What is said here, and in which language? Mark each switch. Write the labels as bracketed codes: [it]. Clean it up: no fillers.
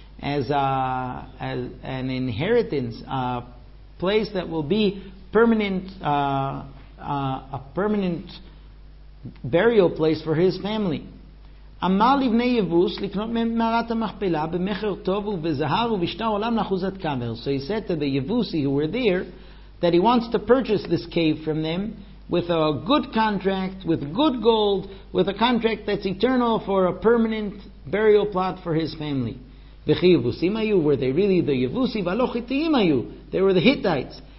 [en] as an inheritance, a place that will be permanent, a permanent burial place for his family. [he] אמר לבני יבוס לקנות מערת המכפלה במחר טוב ובזהר ובשטר עולם לאחוזת קבר. [en] So he said to the Yevusi who were there that he wants to purchase this cave from them with a good contract, with good gold, with a contract that's eternal for a permanent burial plot for his family. [he] וכי יבוסים היו, [en] were they really the Yevusi? [he] ולא חיתיים היו, [en] they were the Hittites.